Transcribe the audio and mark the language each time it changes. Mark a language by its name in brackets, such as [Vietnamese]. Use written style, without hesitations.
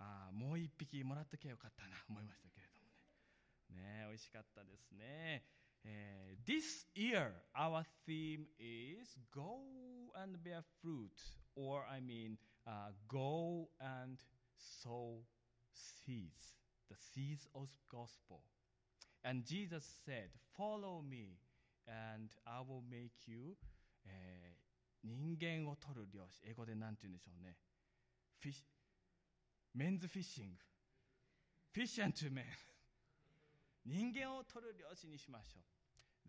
[Japanese] もう一匹もらっときゃよかったな、思いましたけれどもね。ねえ、美味しかったですね。 [English] This year, our theme is go and bear fruit. Or I mean, go and sow seeds. The seeds of gospel. And Jesus said, follow me and I will make you [Japanese] 人間を取る漁師、英語で何て言うんでしょうね。メンズフィッシング。フィッシュアンドメン。人間を取る漁師にしましょう。